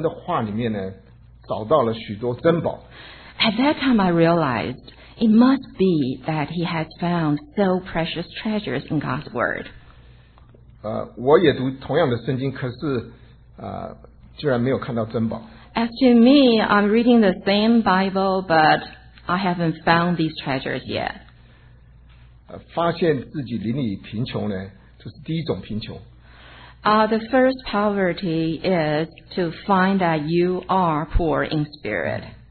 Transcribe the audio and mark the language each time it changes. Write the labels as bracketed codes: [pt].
[zh] 他一定在神的话里面呢找到了许多珍宝。 [en] At that time I realized it must be that he has found so precious treasures in God's word. [zh] 我也读同样的圣经，可是居然没有看到珍宝。 [en] As to me, I'm reading the same Bible, but I haven't found these treasures yet. [zh] 发现自己邻里贫穷呢，就是第一种贫穷。 [en] The first poverty is to find that you are poor in spirit.